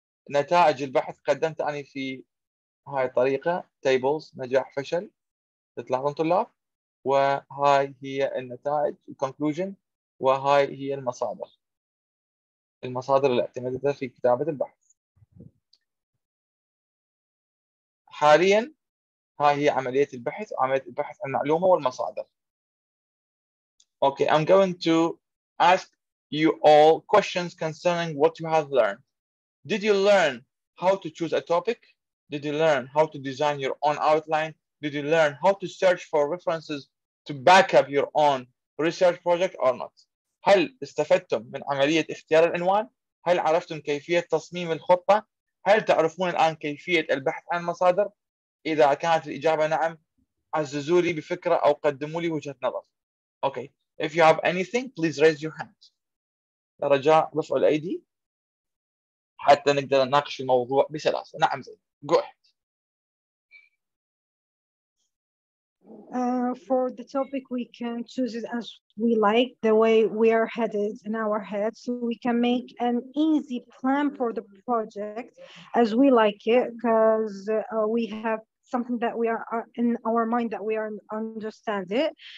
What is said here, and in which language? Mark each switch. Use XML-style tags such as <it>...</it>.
<ar>نتائج البحث قدمت أنا في هاي الطريقة tables، نجاح فشل، تلاحظون طلاب، وهاي هي النتائج conclusion، وهاي هي المصادر، المصادر اللي اعتمدتها في كتابة البحث. حاليا هاي هي عملية البحث، عملية البحث المعلومة والمصادر.</ar> <en>Okay, I'm going to ask you all questions concerning what you have learned. Did you learn how to choose a topic? Did you learn how to design your own outline? Did you learn how to search for references to back up your own research project or not?</en> <ar>هل استفدتم من عملية اختيار العنوان؟ هل عرفتم كيفية تصميم الخطة؟ هل تعرفون الآن كيفية البحث عن المصادر؟ إذا كانت الإجابة نعم، عززوا لي بفكرة أو قدموا لي وجهة نظر.</ar> <en>Okay. If you have anything, please raise your hand.</en> <ar>رجاء رفعوا الأيدي حتى نقدر نناقش الموضوع بسلاسة. نعم زين.</ar> <en>Go ahead. For the topic, we can choose it as we like, the way we are headed in our head. So we can make an easy plan for the project as we like it, because we have something that we are in our mind that we are understand it.</en>